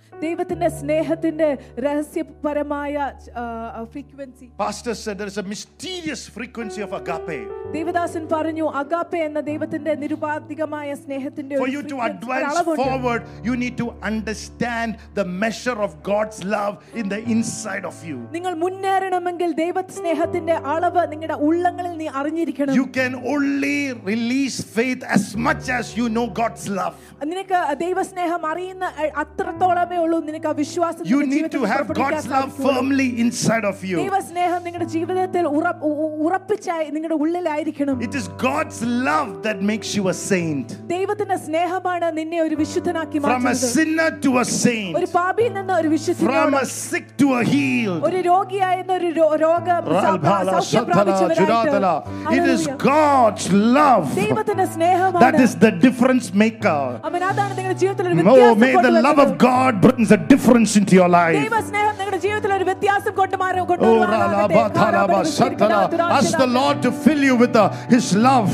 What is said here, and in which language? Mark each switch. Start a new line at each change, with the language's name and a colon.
Malayalam: ദൈവത്തിന്റെ സ്നേഹത്തിന്റെ രഹസ്യപരമായ frequency.
English: Pastor said there is a mysterious frequency of agape.
Malayalam: Devadasan പറഞ്ഞു agape എന്ന ദൈവത്തിന്റെ നിരുപാധികമായ സ്നേഹത്തിന്റെ.
English: For you to advance forward, you need to understand the measure of God's love in the inside of you.
Malayalam: നിങ്ങൾ മുന്നേറണമെങ്കിൽ ദൈവത്തിന്റെ സ്നേഹത്തിന്റെ അളവ് നിങ്ങളുടെ ഉള്ളങ്ങളിൽ നീ അറിഞ്ഞിരിക്കണം.
English: You can only release faith as much as you know God's love.
Malayalam: നിനക്ക് ദൈവസ്നേഹം അറിയുന്ന അത്രത്തോളം
English: You need to have God's love firmly inside of you.
Malayalam: ദൈവസ്നേഹം നിങ്ങളുടെ ജീവിതത്തിൽ ഉറപ്പിച്ചായി നിങ്ങളുടെ ഉള്ളിലായിരിക്കണം.
English: It is God's love that makes you a saint.
Malayalam: ദൈവത്തിന്റെ സ്നേഹമാണ് നിന്നെ ഒരു വിശുദ്ധനാക്കി മാറ്റുന്നത്.
English: From a sinner to a saint.
Malayalam: ഒരു പാപിയിൽ നിന്ന് ഒരു വിശുദ്ധൻ.
English: From a sick to a healed.
Malayalam: ഒരു രോഗിയായ നിന്ന് ഒരു രോഗമുക്തനാക്കി.
English: It is God's love.
Malayalam: ദൈവത്തിന്റെ സ്നേഹമാണ്.
English: That is the difference maker.
Malayalam: അവനാണ് നിങ്ങളുടെ ജീവിതത്തിൽ ഒരു വ്യത്യാസം കൊണ്ടു വരുന്നത്.
English: May the love of God brings a difference into your life. Ask the Lord to fill you with his love.